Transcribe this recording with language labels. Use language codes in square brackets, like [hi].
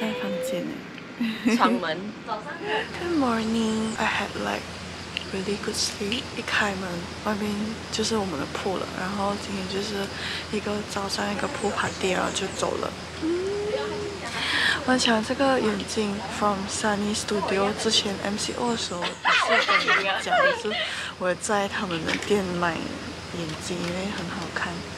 [zh] 早上就有你在房间呢。窗门。 Good morning. [en] I had like really good sleep. [zh] 一开门，外面就是我们的 pool 了。然后今天就是一个早上一个 pool party， 然后就走了。我想这个眼镜 from Sunny Studio 之前 MCO 的时候，我是跟你讲，就是我在他们的店买眼镜，因为很好看。